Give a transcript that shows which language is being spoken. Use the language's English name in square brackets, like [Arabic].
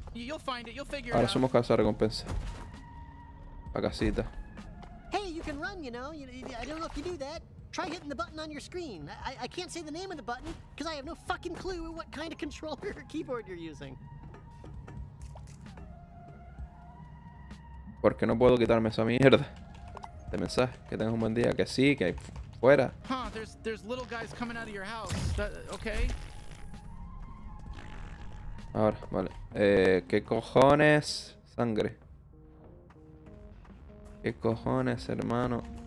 [English] You'll find it, you'll figure [Spanish] ahora [English] it out. [Spanish] Ahora somos casa recompensa. A casita. [English] Hey, you can run, you know. I don't know if you do that. Try hitting the button on your screen. I can't say the name of the button, because I have no fucking clue what kind of controller or keyboard you're using. [Spanish] Porque no puedo quitarme esa mierda de mensaje. Que tengas un buen día. Que sí, que fuera. [English] Huh, there's little guys coming out of your house. Okay. [Spanish] Ahora, vale. ¿Qué cojones? Sangre. ¿Qué cojones, hermano?